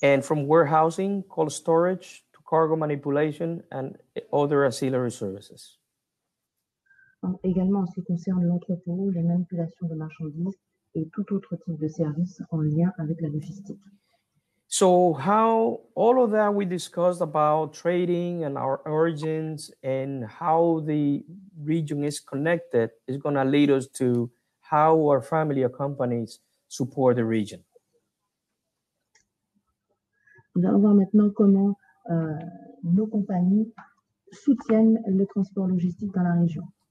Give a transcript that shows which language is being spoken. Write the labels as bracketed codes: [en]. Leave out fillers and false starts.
[en] And from warehousing, cold storage, to cargo manipulation and other auxiliary services. [fr] Également en ce qui concerne l'entrepôt, les manipulations de marchandises et tout autre type de service en lien avec la logistique. [en] So how all of that we discussed about trading and our origins and how the region is connected is going to lead us to how our family of companies support the region. [fr] Nous allons voir maintenant comment nos compagnies soutiennent le transport logistique dans la région.